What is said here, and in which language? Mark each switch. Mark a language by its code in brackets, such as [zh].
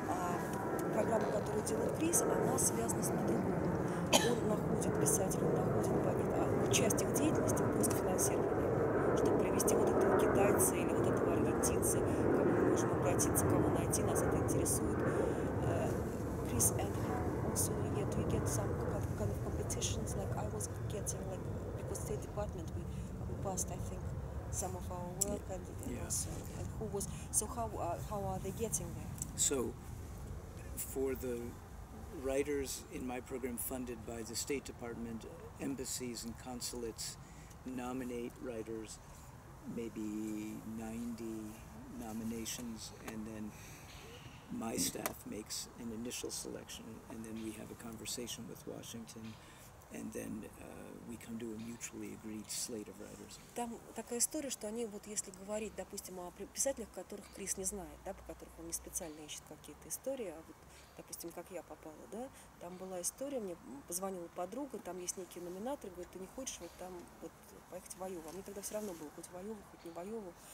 [ru] А программа, которую делает Крис, она связана с другим. Он находит писателя, он находит поэта, участие в деятельности, просто финансирование, чтобы привести вот этого китайца или вот этого аргентинца, кому мы можем обратиться, кому найти, нас это интересует. [en] Крис also yet we get some kind of competitions, like I was getting like because State Department we passed, I think, some of our work and, also, and who was so how are they getting there? So for the writers in my program funded by the State Department, embassies and consulates nominate writers, maybe 90 nominations, and then my staff makes an initial selection, and then we have a conversation with Washington, and then we come to a mutually agreed slate of writers. [ru] Там такая история, что они вот если говорить, допустим, о писателях, которых Крис не знает, да, по которых он не специально ищет какие-то истории, а вот, допустим, как я попала, да, там была история, мне позвонила подруга, там есть некий номинатор, говорит, ты не хочешь вот там вот поехать в Айову. А мне тогда все равно было, хоть в Айову, хоть не в Айову.